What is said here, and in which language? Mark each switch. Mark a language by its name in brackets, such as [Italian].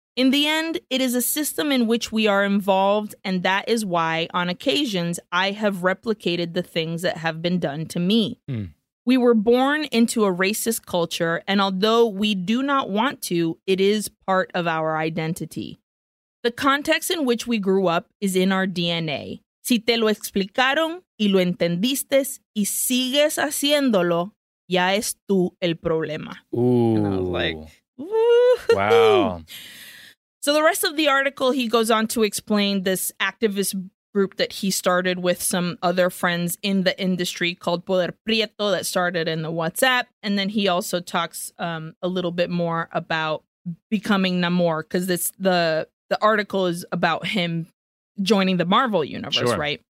[English] In the end, it is a system in which we are involved, and that is why, on occasions, I have replicated the things that have been done to me. Mm. We were born into a racist culture, and although we do not want to, it is part of our identity. The context in which we grew up is in our DNA. [Spanish] Si te lo explicaron y lo entendiste y sigues haciéndolo, ya es tú el problema. Ooh. [English] And I was like, woo-hoo. Wow. So the rest of the article, he goes on to explain this activist group that he started with some other friends in the industry called Poder Prieto that started in the WhatsApp. And then he also talks a little bit more about becoming Namor, because the article is about him joining the Marvel universe, sure. Right?